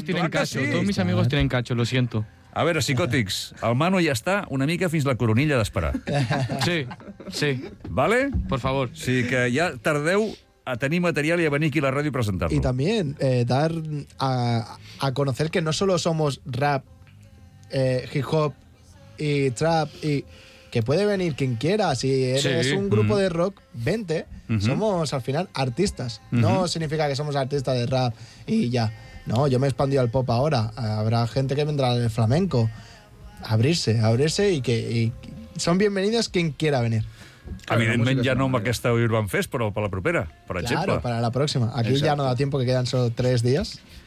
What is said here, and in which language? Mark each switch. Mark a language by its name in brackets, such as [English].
[Spanish] Todos mis amigos tienen cacho, lo siento. [Catalan] A ver, psicòtics, el Manu ja està una mica fins la coronilla d'esperar. Sí, sí. [Spanish] ¿Vale? Por favor. [Catalan] Sí, que ja tardeu a tenir material i a venir aquí a la ràdio a presentar-lo. I també [Spanish] dar a conocer que no solo somos rap, hip-hop y trap, y que puede venir quien quiera. Si eres un grupo de rock, vente. Somos, al final, artistas. No significa que somos artistas de rap y ya. No, yo me he expandido al pop ahora. Habrá gente que vendrá del flamenco. Abrirse y son bienvenidos quien quiera venir. [Catalan] Evidentment, ja no amb aquesta Urban Fest, però per la propera, per exemple. [Spanish] Claro, para la próxima. Aquí ya no da tiempo, que quedan solo 3 días.